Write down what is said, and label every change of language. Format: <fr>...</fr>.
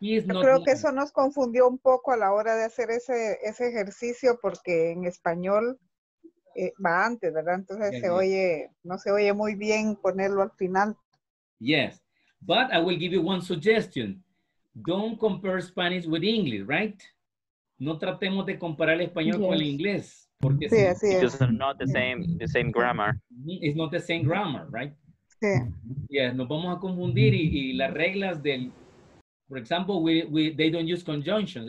<es>Yo creo que eso nos confundió un poco a la hora de hacer ese ejercicio, porque en español va antes, ¿verdad? Entonces</es> <en>yes,</en> <es>no se oye muy bien ponerlo al final.</es> <en>Yes, but I will give you one suggestion. Don't compare Spanish with English, right?</en> <es>No tratemos de comparar el español con el inglés. Porque sí, así es.</es> <en>Because it's not the same grammar. It's not the same grammar, right?</en> <es>Sí. Yeah, nos vamos a confundir y las reglas del...</es> <en>For example, they don't use conjunctions.</en>